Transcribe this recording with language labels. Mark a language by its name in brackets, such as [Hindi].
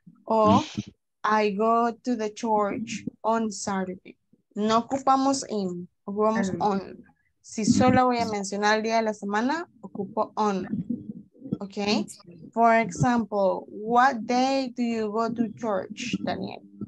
[English] O I go to the church on Saturday. [Spanish] No ocupamos in, ocupamos on. Si solo voy a mencionar el día de la semana, ocupo on. Ok. [English] For example, what day do you go to church, Daniel?